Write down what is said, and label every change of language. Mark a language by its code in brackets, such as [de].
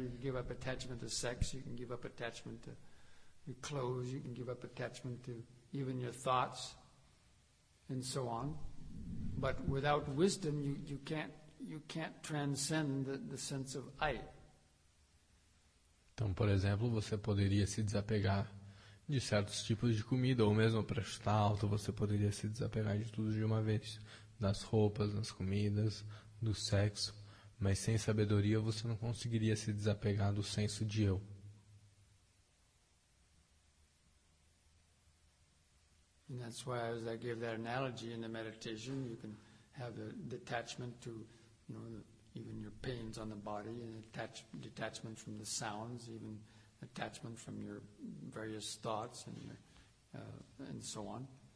[en] You can give up attachment to sex. You can give up attachment to your clothes. You can give up attachment to even your thoughts, and so on. But without wisdom, you can't transcend the sense of I. [pt] Então, por exemplo, você poderia se desapegar de certos tipos de comida, ou mesmo para chutar alto, você poderia se desapegar de tudo de uma vez, das roupas, das comidas, do sexo, mas sem sabedoria você não conseguiria se desapegar do senso de eu. [en] And that's why as I give that analogy in the meditation, you can have a detachment to, you know, even your pains on the body, and detachment from the sounds, even attachment from your various thoughts and your, and so on.